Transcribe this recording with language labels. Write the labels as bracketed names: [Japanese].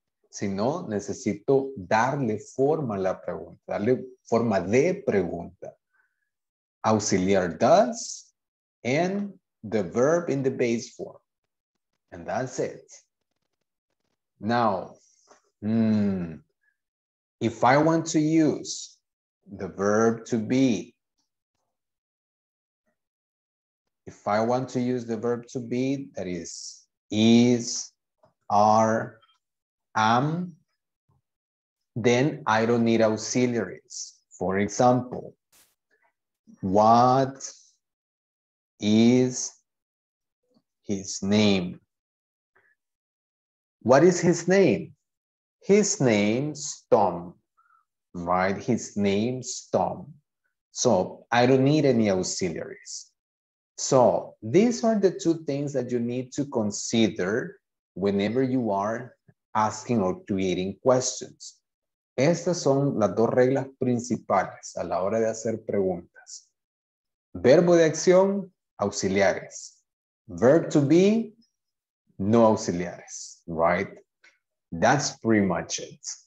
[Spanish] Si no, necesito darle forma a la pregunta, darle forma de pregunta. [English] Auxiliar does and the verb in the base form. And that's it. Now, if I want to use the verb to be, that is are, then I don't need auxiliaries. For example, what is his name? What is his name? His name's Tom, right? His name's Tom. So I don't need any auxiliaries. So these are the two things that you need to consider whenever you are asking or creating questions. [Spanish] Estas son las dos reglas principales a la hora de hacer preguntas. Verbo de acción, auxiliares. [English] Verb to be, [Spanish] no auxiliares, [English] right? That's pretty much it.